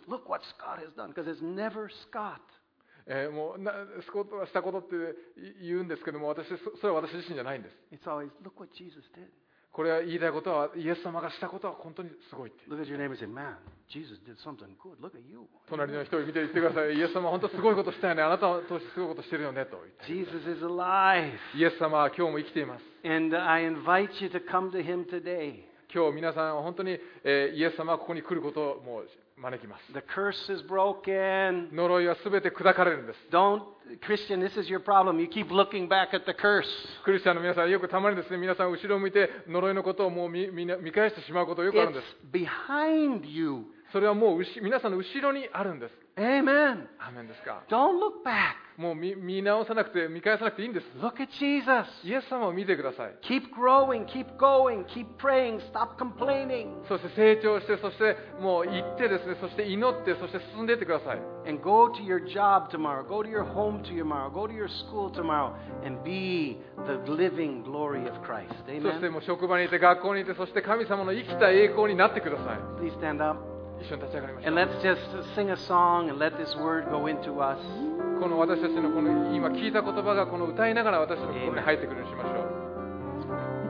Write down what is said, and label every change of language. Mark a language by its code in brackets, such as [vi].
[en] Look what Scott has done, because it's never Scott. [ja] もうスコットがしたことって言うんですけども、私それは私自身じゃないんです。 [en] It's always look what Jesus did. [ja] これは言いたいことはイエス様がしたことは本当にすごいって。 [en] Look at your neighbor and say, man, Jesus did something good. Look at you. [ja] 隣の人を見て言ってください。イエス様は本当にすごいことしたよね。あなたは通してすごいことしてるよねと言って。 [en] Jesus is alive. [ja] イエス様は今日も生きています。 [en] And I invite you to come to Him today. [ja] 今日皆さんは本当にイエス様はここに来ることをもう招きます。 [en] The curse is broken. [ja] 呪いはすべて砕かれるんです。 [en] Don't, Christian, this is your problem. You keep looking back at the curse. [ja] クリスチャンの皆さん、よくたまにですね、皆さん後ろを向いて呪いのことをもう見返してしまうことがよくあるんです。 [en] It's behind you. [ja] それはもう皆さんの後ろにあるんです。 [en] Amen. [ja] アーメンですか。 [en] Don't look back. [ja] もう 見直さなくて、見返さなくていいんです。 [en] Look at Jesus. [ja] イエス様を見てください。 [en] Keep growing, keep going, keep praying, stop complaining. [ja] そして成長して、そしてもう行ってですね、そして祈って、そして進んでいってください。 [en] And go to your job tomorrow. Go to your home tomorrow. Go to your school tomorrow. And be the living glory of Christ. Amen. [ja] そしてもう職場にいて、学校にいて、そして神様の生きた栄光になってください。 [en] Please stand up. And let's just sing a song and let this word go into us. [ja] この私たちのこの今聞いた言葉がこの歌いながら私たちの心に入ってくるようにしましょう。